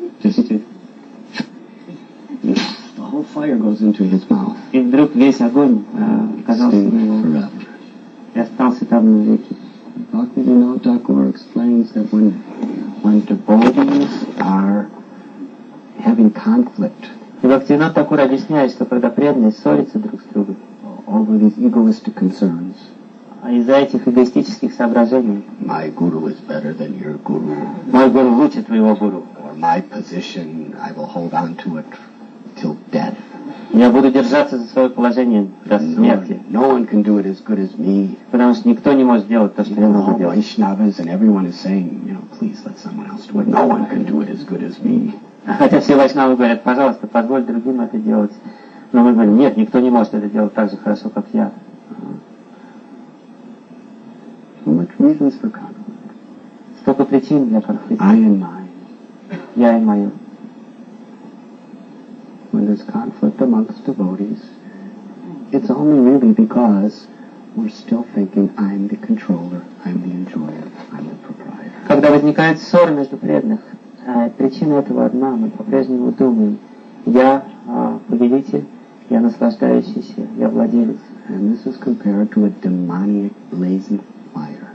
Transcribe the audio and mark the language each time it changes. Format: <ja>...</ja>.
<en>Just the whole fire goes into his mouth.</en> <ru>И вдруг весь огонь оказался на его рту. И остался там на веки.</ru> <en>Bhaktivinoda Thakur explains that when devotees are having conflict.</en> <ru>И Бхактивинода Такур объясняет, что когда преданные ссорятся друг с другом.</ru> <en>Over these egoistic concerns.</en> <ru>А из-за этих эгоистических соображений.</ru> <en>My guru is better than your guru.</en> <ru>Мой гуру лучше твоего гуру.</ru> <en>Or my position, I will hold on to it till death.</en> <ru>Я буду держаться за свое положение до смерти.</ru> <en>No one can do it as good as me.</en> <ru>Потому что никто не может сделать то, что я могу делать.</ru> <en>Vaishnavas and everyone is saying, you know, please let someone else do it. No one can do it as good as me.</en> <ru>Хотя все вайшнавы говорят, пожалуйста, позволь другим это делать. Но мы говорим, нет, никто не может это делать так же хорошо, как я.</ru> <en>Reasons for conflict.</en> <ru>Столько причин для конфликта.</ru> <en>I and mine.</en> <ru>Я и мое.</ru> <en>When there's conflict amongst devotees, it's only really because we're still thinking I'm the controller, I'm the enjoyer, I'm the proprietor.</en> <ru>Когда возникает ссора между преданных, причина этого одна, мы по-прежнему думаем, я победитель, я наслаждающийся, я владелец.</ru> <en>And this is compared to a demonic blazing fire.</en>